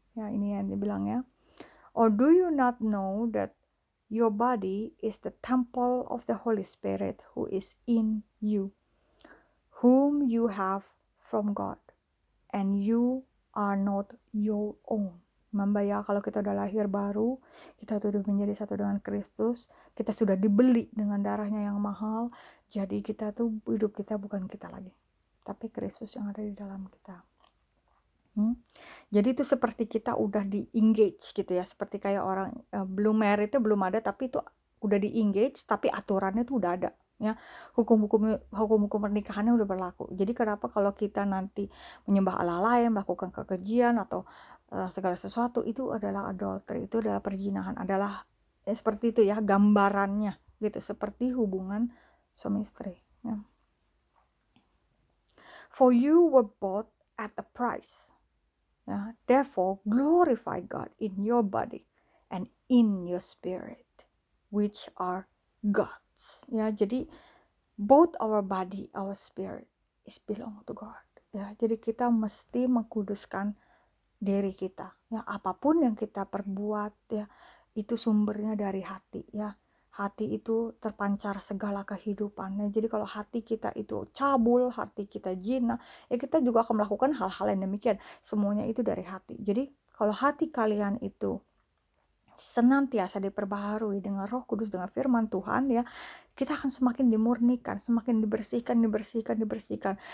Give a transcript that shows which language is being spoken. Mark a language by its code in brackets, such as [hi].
[id] Ya, ini yang dibilang ya. [en] Or do you not know that your body is the temple of the Holy Spirit who is in you, whom you have from God, and you are not your own. [id] Remember ya, kalau kita udah lahir baru, kita sudah menjadi satu dengan Kristus, kita sudah dibeli dengan darahnya yang mahal, jadi kita tuh hidup kita bukan kita lagi, tapi Kristus yang ada di dalam kita. Jadi itu seperti kita udah di engage gitu ya, seperti kayak orang belum married itu belum ada, tapi itu udah di engage, tapi aturannya tuh udah ada ya, hukum-hukum pernikahannya udah berlaku. Jadi kenapa kalau kita nanti menyembah Allah lain, melakukan kekejian atau segala sesuatu, itu adalah adultery, itu adalah perzinahan, adalah seperti itu ya gambarannya gitu, seperti hubungan suami istri ya. [en] For you were bought at a price. Yeah. Therefore, glorify God in your body and in your spirit, which are God's. Yeah. [id] Jadi, [en] both our body, our spirit is belong to God. [id] Yeah. Jadi, kita mesti mengkuduskan diri kita. Yeah. Apapun yang kita perbuat, yeah, itu sumbernya dari hati. Yeah. Hati itu terpancar segala kehidupannya. Jadi kalau hati kita itu cabul, hati kita jina, ya kita juga akan melakukan hal-hal yang demikian. Semuanya itu dari hati. Jadi kalau hati kalian itu senantiasa diperbaharui dengan Roh Kudus, dengan firman Tuhan, ya kita akan semakin dimurnikan, semakin dibersihkan.